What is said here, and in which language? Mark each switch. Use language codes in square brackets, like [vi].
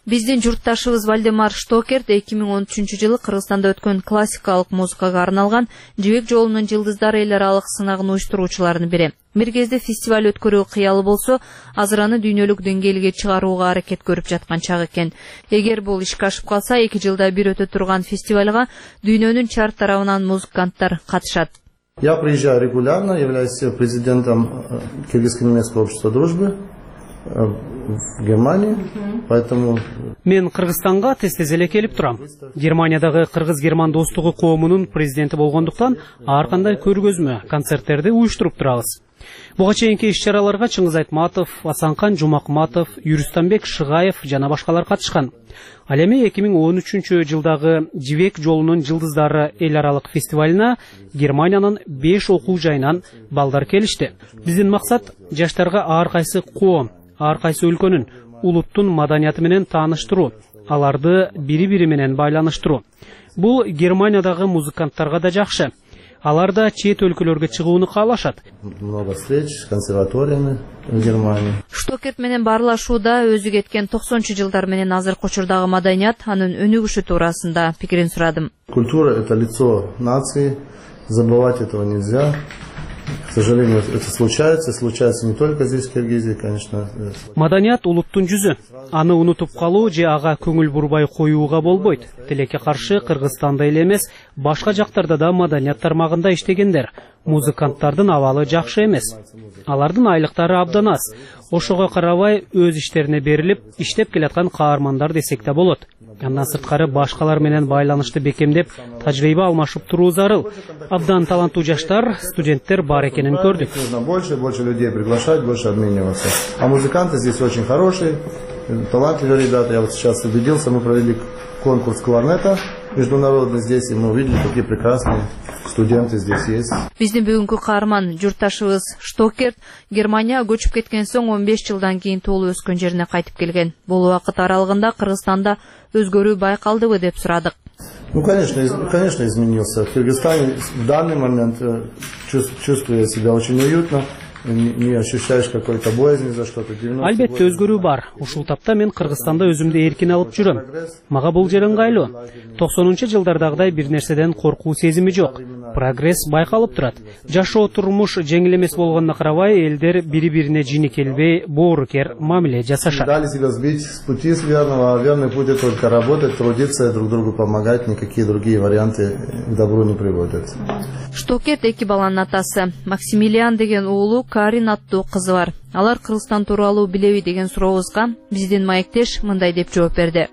[ky] Биздин журтташыбыз Вальдемар Штокерт 2013 жылы Кыргызстанда өткөн классикалык музыкага арналган Жибек жолунун жылдыздары эл аралык сынагын уюштуруучулардын бири. Мергезде фестиваль өткөрүү кыялы болсо, азыр аны дүйнөлүк деңгээлге чыгарууга аракет көрүп жаткан чак экен. Эгер бул ишке ашып калса, 2 жылда бир өтө турган фестивалга дүйнөнүн чар тарабынан музыканттар катышат. [ru] Я приезжаю регулярно, являюсь президентом Кыргызско-немецкого общества дружбы в Германии, поэтому [ky] мен Кыргызстанга тез-тез эле келип турам. Германиядагы кыргыз-герман достугу коомунун президенти болгондуктан, ар кандай көргөзмө, концерттерди уюштуруп турабыз. Буга чейинки иш-чараларга Чыңгыз Айтматов, Асанкан Жумакматов, Юрустанбек Шыгаев жана башкалар катышкан. Ал эми 2013 жылдагы Жибек жолунун жылдыздары эл аралык фестивалына Германиянын 5 окуу жайынан балдар келишти. Биздин максат жаштарга ар кайсы коом, ар кайсы өлкөнүн улуттун маданияты менен тааныштыруу, аларды бири бири менен байланыштыруу. Бул Германиядагы музыканттарга да жакшы. Алар да чет өлкөлөргө чыгууну каалашат. [ru] Много встреч с консерваториями в Германии. [ky] Штокерт менен барлашууда өзү кеткен 90-чу жылдар менен азыркы учурдагы маданият, анын өнүгүшү туурасында пикирин сурадым. [ru] Культура — это лицо нации. Забывать этого нельзя. К сожалению, это случается. Случается не только здесь, в Киргизии, конечно. [ky] Маданият — улуттун жүзү. Аны унутуп калуу же ага көңүл бурбай коюуга болбойт. Тилекке каршы Кыргызстанда эле эмес, башка жактарда да маданият тармагында иштегендер, музыканттардын абалы жакшы эмес. Алардын айлыктары абдан аз. Ошого карабай өз иштерине берилип, иштеп келаткан каармандар десек да болот. Андан сырткары башкалар менен байланышты бекемдеп, тажрыйба алмашып туруу зарыл. Абдан таланттуу жаштар, студенттер бар экенин көрдүк. [ru] Больше людей приглашать, больше обмениваться. А музыканты здесь очень хорошие. Талантливые ребята, я вот сейчас убедился, мы провели конкурс кларнета международный здесь, и мы увидели, какие прекрасные студенты здесь есть. [ky] Биздин бүгүнкү каарман журташыбыз Штокерт Германияга көчүп кеткен соң 15 жылдан кийин туулуп өскөн жерине кайтып келген. Бул убакыт аралыгында Кыргызстанда өзгөрүү байкалдыбы деп сурадык. [ru] Конечно, изменился. В Кыргызстане в данный момент чувствую себя очень уютно. Не ощущаешь какой-то боязни за что-то. [ky] Албетте өзгөрүү бар. Ушул тапта мен Кыргызстанда өзүмдү эркин алып жүрөм. Мага бул жер ыңгайлуу. 90-чу жылдардагыдай бир нерседен коркуу сезими жок. Прогресс байкалып турат. Жашоо турмуш жеңил эмес болгонуна карабай, элдер бири-бирине жини келбей, боорукер мамиле жасашат. [ru] Дали себя сбить с пути с верного, а верный путь — только работать, трудиться, друг другу помогать, никакие другие варианты к добру не приводят. [ky] Штокет эки баланын атасы. Максимилиан деген уулу, Карин аттуу кызы бар. Алар Кыргызстан тууралуу билеби деген сурообузга биздин маектеш мындай деп жооп берди.